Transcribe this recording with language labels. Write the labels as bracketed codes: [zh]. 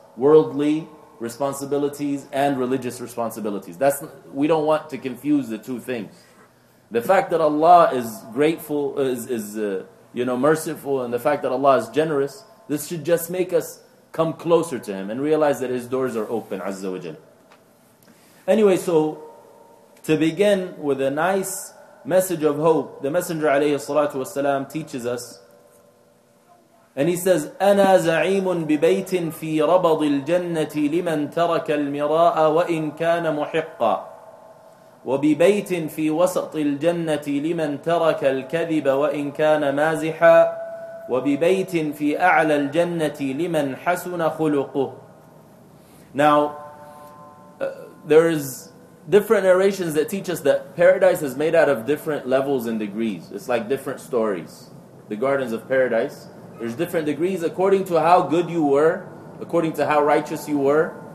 [en] Worldly responsibilities and religious responsibilities. That's, we don't want to confuse the two things. The fact that Allah is grateful, is merciful, and the fact that Allah is generous, this should just make us come closer to Him and realize that His doors are open, Azza wa Jal. Anyway, so to begin with a nice message of hope, the Messenger alayhi salatu wasalam teaches us, and he says, [ar] أَنَا زَعِيمٌ بِبَيْتٍ فِي رَبَضِ الْجَنَّةِ لِمَنْ تَرَكَ الْمِرَاءَ وَإِنْ كَانَ مُحِقًّا وَبِبَيْتٍ فِي وَسَطِ الْجَنَّةِ لِمَنْ تَرَكَ الْكَذِبَ وَإِنْ كَانَ مَازِحًا وَبِبَيْتٍ فِي أَعْلَى الْجَنَّةِ لِمَنْ حَسُنَ خُلُقُهُ. [en] Now, there is different narrations that teach us that paradise is made out of different levels and degrees. It's like different stories. The gardens of paradise, there's different degrees according to how good you were, according to how righteous you were.